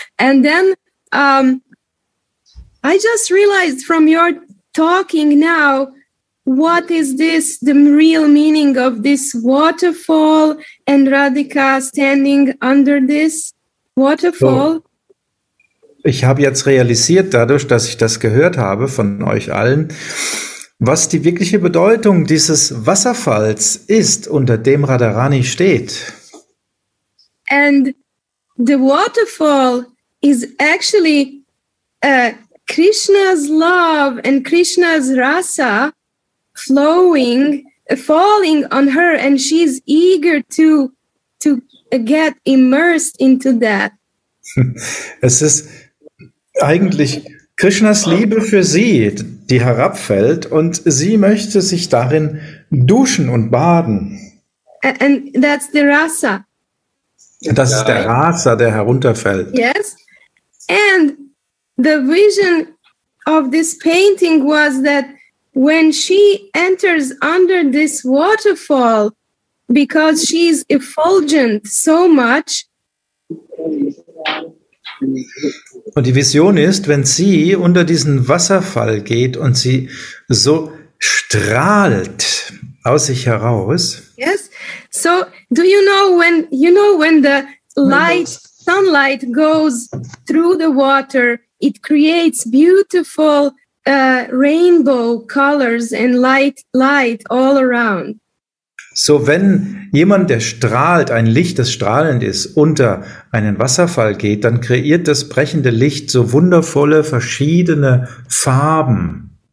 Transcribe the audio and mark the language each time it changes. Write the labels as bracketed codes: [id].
[en] And then I just realized from your talking now, what is this, the real meaning of this waterfall and Radhika standing under this waterfall? [de] So, ich habe jetzt realisiert, dadurch, dass ich das gehört habe von euch allen, was die wirkliche Bedeutung dieses Wasserfalls ist, unter dem Radharani steht. [en] And the waterfall is actually Krishna's love and Krishna's rasa flowing, falling on her, and she's eager to get immersed into that. [de] Es ist eigentlich Krishnas Liebe für sie, die herabfällt, und sie möchte sich darin duschen und baden. [en] And that's the rasa. [de] Das ist der Rasa, der herunterfällt. [en] Yes, and the vision of this painting was that when she enters under this waterfall, because she's effulgent so much. [de] Und die Vision ist, wenn sie unter diesen Wasserfall geht und sie so strahlt aus sich heraus. [en] Yes. So, do you know when the light, sunlight goes through the water, it creates beautiful rainbow colors and light all around. [de] So, wenn jemand, der strahlt, ein Licht, das strahlend ist, unter einen Wasserfall geht, dann kreiert das brechende Licht so wundervolle verschiedene Farben.